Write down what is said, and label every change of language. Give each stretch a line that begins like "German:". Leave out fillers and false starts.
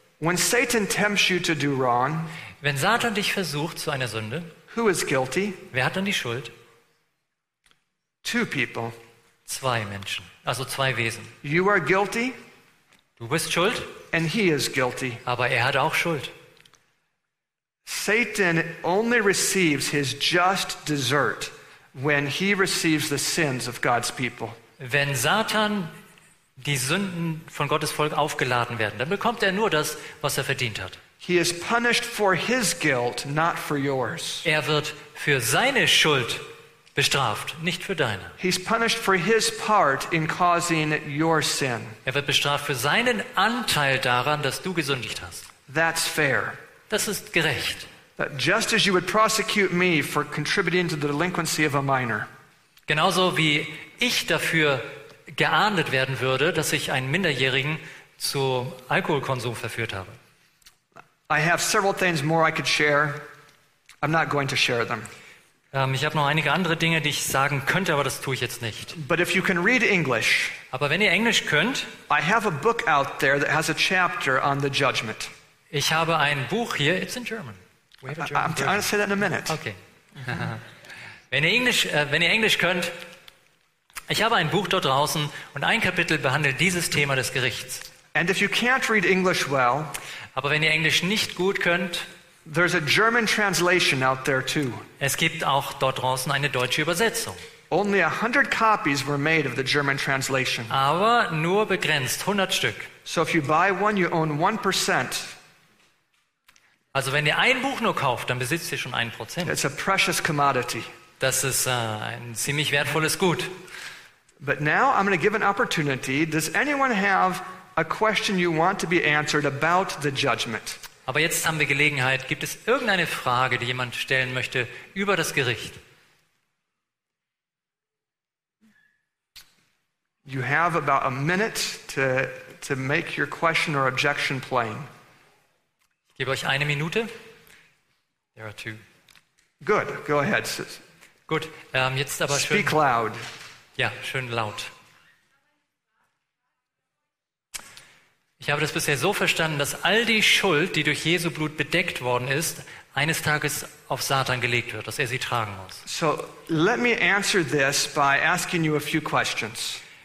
English: When Satan tempts you to do wrong,
German: wenn Satan dich versucht zu einer Sünde,
English: who is guilty?
German: Wer hat dann die Schuld?
English: Two people.
German: Zwei Menschen, also zwei Wesen.
English: You are guilty.
German: Du bist schuld.
English: And he is guilty.
German: Aber er hat auch Schuld.
English: Satan only receives his just dessert when he receives the sins of God's people.
German: Wenn Satan die Sünden von Gottes Volk aufgeladen werden, dann bekommt er nur das, was er verdient hat.
English: He is punished for his guilt, not for yours.
German: Er wird für seine Schuld bestraft, nicht für deine.
English: He's punished for his part in causing your sin.
German: Er wird bestraft für seinen Anteil daran, dass du gesündigt hast.
English: That's fair.
German: Das ist gerecht.
English: Just as you would prosecute me for contributing to the delinquency of a minor.
German: Genauso wie ich dafür geahndet werden würde, dass ich einen Minderjährigen zu Alkoholkonsum verführt habe.
English: I have several things more I could share. I'm not going to share them.
German: Ich habe noch einige andere Dinge, die ich sagen könnte, aber das tue ich jetzt nicht.
English: But if you can read English,
German: aber wenn ihr Englisch könnt,
English: I have a book out there that has a chapter on the judgment.
German: Ich habe ein Buch hier.
English: It's in German. We have a German. I'm going to say that in a minute. Okay.
German: wenn ihr Englisch könnt, ich habe ein Buch dort draußen und ein Kapitel behandelt dieses Thema des Gerichts.
English: And if you can't read English well,
German: aber wenn ihr Englisch nicht gut könnt,
English: there's a German translation out there too.
German: Es gibt auch dort draußen eine deutsche Übersetzung.
English: Only 100 copies were made of the German translation.
German: Aber nur begrenzt, 100 Stück.
English: So if you buy one, you own 1%.
German: Also wenn ihr ein Buch nur kauft, dann besitzt ihr schon 1%.
English: It's a precious commodity.
German: Das ist ein ziemlich wertvolles Gut.
English: But now I'm going to give an opportunity. Does anyone have a question you want to be answered about the judgment?
German: Aber jetzt haben wir Gelegenheit. Gibt es irgendeine Frage, die jemand stellen möchte über das Gericht?
English: You have about a minute to make your question or objection plain.
German: Ich gebe euch eine Minute.
English: There are two. Good. Go ahead.
German: Gut. Jetzt aber schön.
English: Speak loud.
German: Ja, schön laut. Ich habe das bisher so verstanden, dass all die Schuld, die durch Jesu Blut bedeckt worden ist, eines Tages auf Satan gelegt wird, dass er sie tragen muss.
English: So, let me answer this by asking you a few questions.